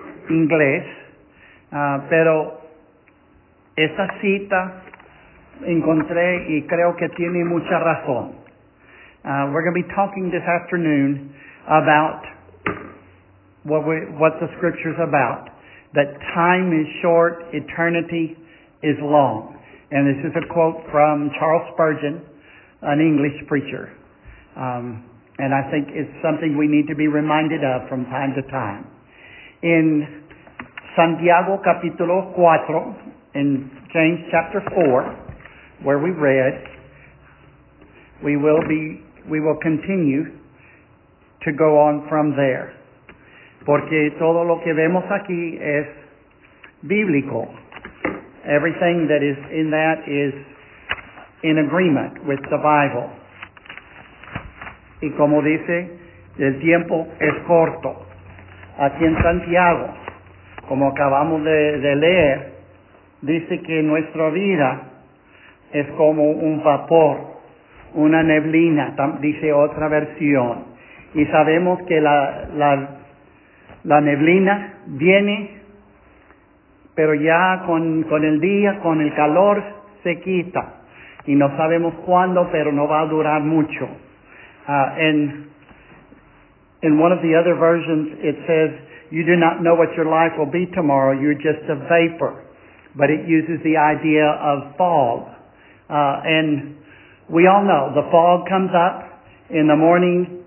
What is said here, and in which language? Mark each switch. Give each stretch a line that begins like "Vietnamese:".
Spanish: inglés, pero esta cita encontré y creo que tiene mucha razón.
English: We're going to be talking this afternoon about what the scripture is about, that time is short, eternity is long. And this is a quote from Charles Spurgeon, an English preacher. And I think it's something we need to be reminded of from time to time. In
Spanish: Santiago capítulo 4,
English: in James chapter 4, where we read, we will continue to go on from there.
Spanish: Porque todo lo que vemos aquí es bíblico.
English: Everything that is in that is in agreement with the Bible.
Spanish: Y como dice, el tiempo es corto. Aquí en Santiago, como acabamos de leer, dice que nuestra vida es como un vapor, una neblina, dice otra versión. Y sabemos que la neblina viene, pero ya con el día, con el calor, se quita. Y no sabemos cuándo, pero no va a durar mucho.
English: In one of the other versions, it says, you do not know what your life will be tomorrow, you're just a vapor. But it uses the idea of fog. And we all know the fog comes up in the morning.